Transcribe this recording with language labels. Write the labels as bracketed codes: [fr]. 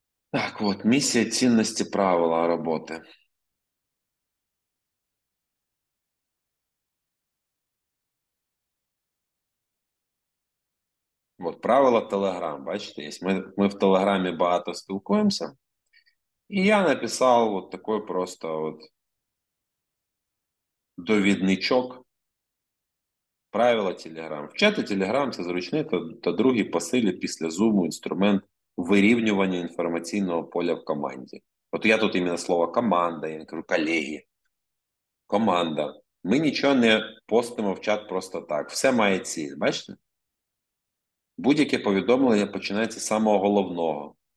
[ru] Так вот, миссия, ценности, правила работы. Вот правило Telegram, [uk] бачите, [ru] есть. Мы в Телеграме [uk] багато спілкуємося. І я написав [ru] вот такой просто вот [uk] довідничок. Правило Telegram. Вчати Telegram – це зручний та другий по силі після Zoom інструмент вирівнювання інформаційного поля в команді. От я тут іменно слово команда, я кажу колеги. Команда. Ми нічого не постимо в чат просто так. Все має ціль, бачите? Будь-яке повідомлення починається з самого головного.